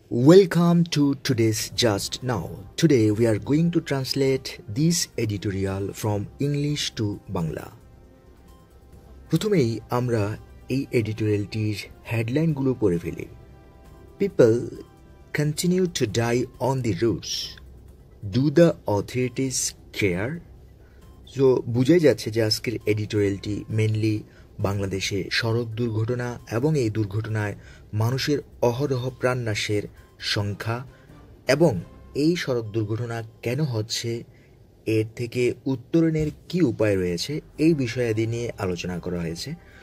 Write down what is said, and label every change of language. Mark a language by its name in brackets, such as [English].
[English] Welcome to today's Just Now. Today we are going to translate this editorial from English to Bangla. [Bangla] প্রথমেই আমরা এই এডিটোরিয়ালটির হেডলাইনগুলো পড়ে ফেলি. [English] People continue to die on the roads. Do the authorities care? [Bangla] So, বুঝে যাচ্ছে যে আজকের এডিটোরিয়ালটি mainly বাংলাদেশে সড়ক দুর্ঘটনা এবং এই দুর্ঘটনায় মানুষের অহরহ প্রাণনাশের সংখ্যা এবং এই সড়ক দুর্ঘটনা কেন হচ্ছে, এর থেকে উত্তরণের কি উপায় রয়েছে, এই বিষয়াদি নিয়ে আলোচনা করা হয়েছে।